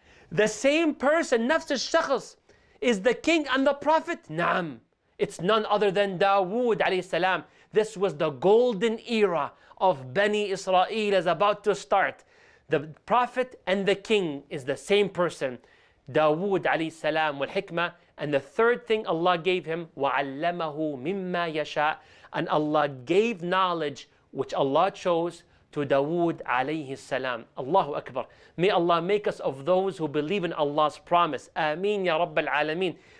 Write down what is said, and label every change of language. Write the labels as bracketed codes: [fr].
[en] The same person, [ar] نفس الشخص, [en] is the king and the prophet? [ar] نعم. [en] It's none other than داود عليه السلام. This was the golden era of Bani Israel is about to start. The prophet and the king is the same person. [ar] داود عليه السلام والحكمة. [en] And the third thing Allah gave him, [ar] وَعَلَّمَهُ مِمَّا يَشَاءُ. [en] And Allah gave knowledge, which Allah chose, to Dawood عليه السلام. Allahu Akbar. May Allah make us of those who believe in Allah's promise. Ameen ya Rabbil Alameen.